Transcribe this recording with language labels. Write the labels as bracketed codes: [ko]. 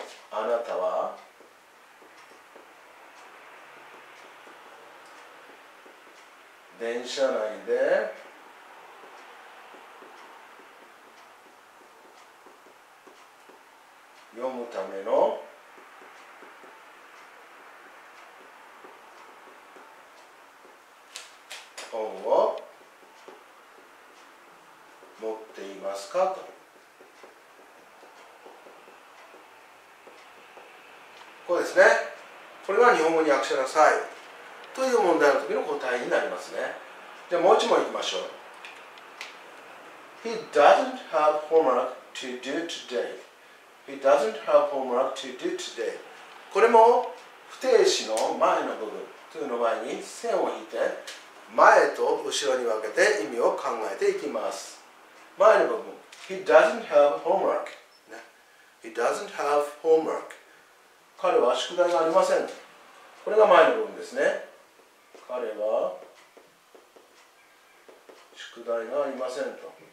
[ja] あなたは、電車内で読むための本を持っていますかと。こうですね。これは日本語に訳しなさいという問題の時の答えになりますね。じゃあもう一問いきましょう。 [en] He doesn't have homework to do today. He doesn't have homework to do today. [ja] これも不定詞の前の部分というの前に線を引いて、前と後ろに分けて意味を考えていきます。前の部分。 [en] He doesn't have homework.、ね、He doesn't have homework. [ja] 彼は宿題がありません。これが前の部分ですね。彼は宿題がありませんと。